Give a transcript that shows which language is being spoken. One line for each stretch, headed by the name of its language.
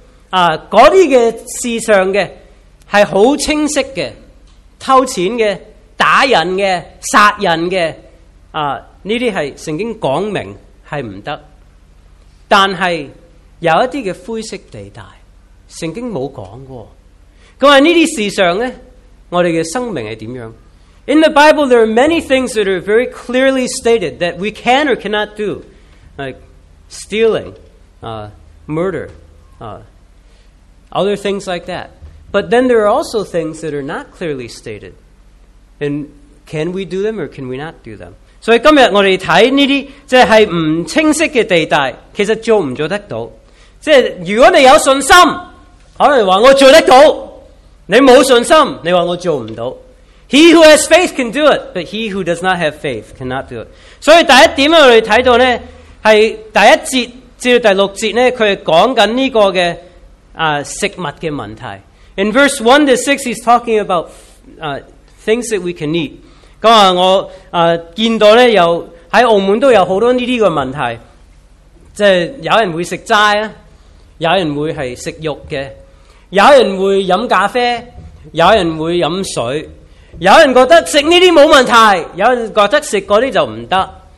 Chinese: 那些的事上的是很清晰的，偷钱的、打人的、杀人的这些是圣经讲明是不得。但是有一些的灰色地带圣经没有讲过，他说这些事上呢我们的生命是怎样。
English: In the Bible there are many things that are very clearly stated that we can or cannot do, like stealing, murder, other things like that. But then there are also things that are not clearly stated. And can we do them or can we not do them?
Chinese: 所以今天我们看这些即是不清晰的地带其实做不做得到。即是如果你有信心可能说我做得到，你没有信心你说我做不到。
English: He who has faith can do it, but he who does not have faith cannot do it.
Chinese: 所以第一点我们看到呢是第一节至第六节呢他是讲着这个的食物的问题。
English: In verse 1 to 6, he's talking about things that we can eat.
Chinese: 我见到呢有在澳门都有很多这些问题，就是有人会吃斋，有人会是吃肉的，有人会喝咖啡，有人会喝水，有人觉得吃这些没问题，有人觉得吃那些就不得。